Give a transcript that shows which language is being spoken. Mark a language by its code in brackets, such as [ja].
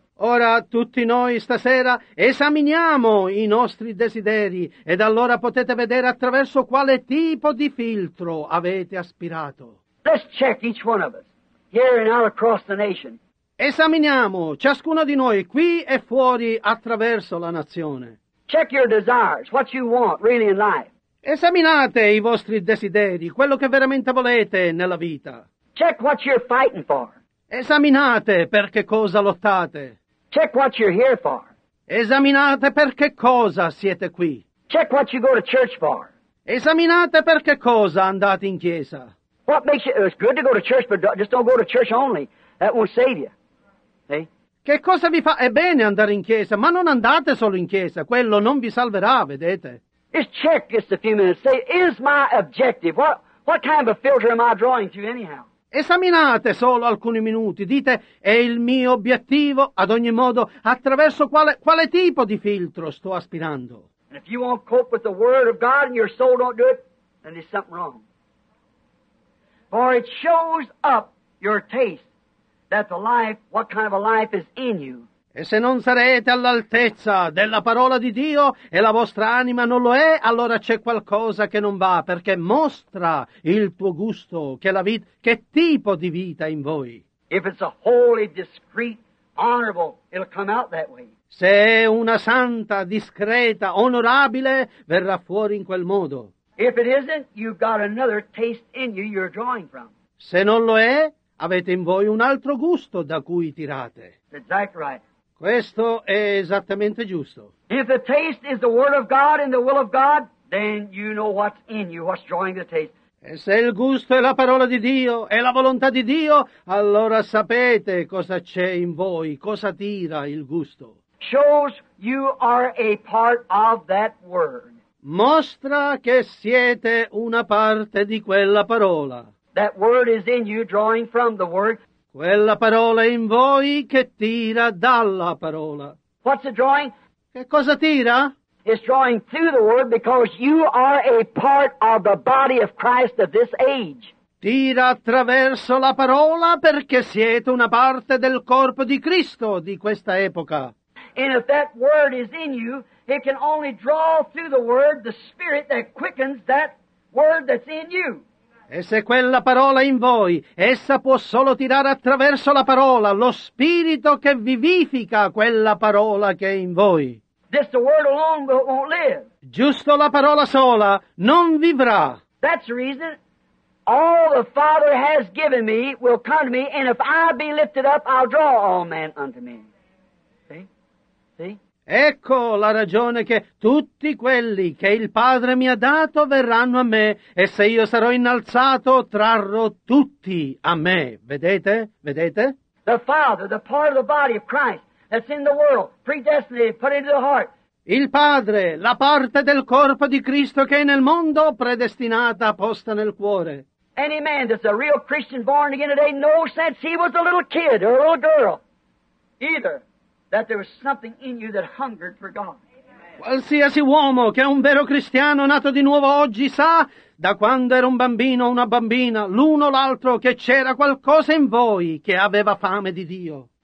[it] Ora tutti noi stasera esaminiamo i nostri desideri, ed allora potete vedere attraverso quale tipo di filtro avete aspirato. [en] Let's check each one of us. Here and out across the nation. [it] Esaminiamo ciascuno di noi qui e fuori attraverso la nazione. [en] Check your desires, what you want really in life. [it] Esaminate i vostri desideri, quello che veramente volete nella vita. [en] Check what you're fighting for. [it] Esaminate per che cosa lottate. [en] Check what you're here for. [it] Esaminate per che cosa siete qui. [en] Check what you go to church for. [it] Esaminate per che cosa andate in chiesa. [en] What makes you, it's good to go to church, but just don't go to church only. That won't save you. See? [it] Che cosa vi fa? È bene andare in chiesa, ma non andate solo in chiesa. Quello non vi salverà, vedete? [en] Just check just a few minutes. Say, is my objective? What kind of a filter am I drawing through anyhow? [it] Esaminate solo alcuni minuti. Dite, è il mio obiettivo, ad ogni modo, attraverso quale tipo di filtro sto aspirando? [en] And if you won't cope with the word of God and your soul don't do it, then there's something wrong. For it shows up your taste that the life, what kind of a life is in you. [it] E se non sarete all'altezza della parola di Dio e la vostra anima non lo è, allora c'è qualcosa che non va, perché mostra il tuo gusto, che tipo di vita è in voi. [en] If it's a holy, discreet, honorable, it'll come out that way. [it] Se è una santa, discreta, onorabile, verrà fuori in quel modo. [en] If it isn't, you've got another taste in you you're drawing from. [it] Se non lo è, avete in voi un altro gusto da cui tirate. [en] Exactly right. [it] Questo è esattamente giusto. [en] If the taste is the word of God and the will of God, then you know what's in you, what's drawing the taste. [it] E se il gusto è la parola di Dio, è la volontà di Dio, allora sapete cosa c'è in voi, cosa tira il gusto. [en] Shows you are a part of that word. [it] Mostra che siete una parte di quella parola. [en] That word is in you, drawing from the word. [it] Quella parola è in voi che tira dalla parola. [en] What's it drawing? [it] Che cosa tira? [en] It's drawing through the word because you are a part of the body of Christ of this age. [it] Tira attraverso la parola perché siete una parte del corpo di Cristo di questa epoca. [en] And if that word is in you, it can only draw through the word the spirit that quickens that word that's in you. [it] E se quella parola è in voi, essa può solo tirare attraverso la parola, lo spirito che vivifica quella parola che è in voi. [en] Just the word alone won't live. [it] Giusto la parola sola non vivrà. [en] That's the reason all the Father has given me will come to me, and if I be lifted up, I'll draw all men unto me. [it] Ecco la ragione che tutti quelli che il Padre mi ha dato verranno a me, e se io sarò innalzato, trarrò tutti a me. Vedete? Vedete? [en] The Father, the part of the body of Christ that's in the world, predestinated, put into the heart. [it] Il Padre, la parte del corpo di Cristo che è nel mondo, predestinata, posta nel cuore. [en] Any man that's a real Christian born again today knows since he was a little kid or a little girl, either. That there was something in you that hungered for God. [it] Qualsiasi uomo che è un vero cristiano nato di nuovo oggi sa, da quando era un bambino o una bambina, l'uno o l'altro, che c'era qualcosa in voi che aveva fame di Dio.